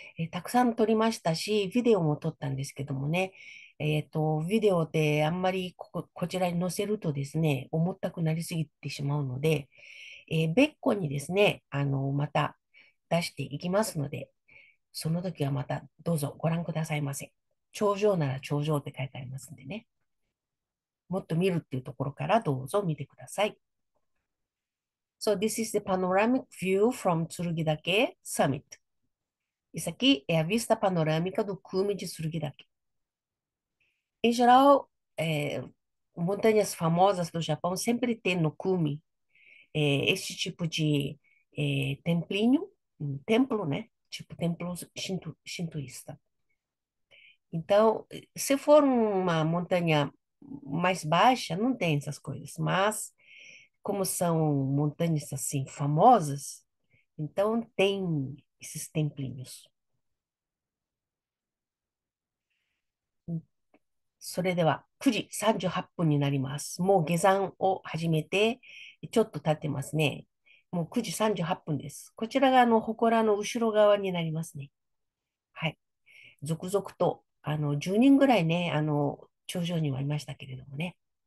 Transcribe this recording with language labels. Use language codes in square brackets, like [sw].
[ja] たくさん撮りましたし、ビデオも撮ったんですけどもね、ビデオってあんまりこちらに載せるとですね、重たくなりすぎてしまうので、別個にですね、また出していきますので、その時はまたどうぞご覧くださいませ。頂上なら頂上って書いてありますんでね。もっと見るっていうところからどうぞ見てください。 [en] So this is the panoramic view from 剱岳summit. [pt] Isso aqui é a vista panorâmica do cume de 剱岳. Em geral, montanhas famosas do Japão sempre têm no cume este tipo de templinho, um templo, né? Tipo templo shintoísta. Então, se for uma montanha mais baixa, não tem essas coisas, mas como são montanhas assim famosas, então tem esses templinhos. [ja] それでは9時38分になります。もう下山を始めてちょっと経ってますね。もう9時38分です。こちらが祠の後ろ側になりますね。はい。続々と10人ぐらいね、頂上にはいましたけれどもね。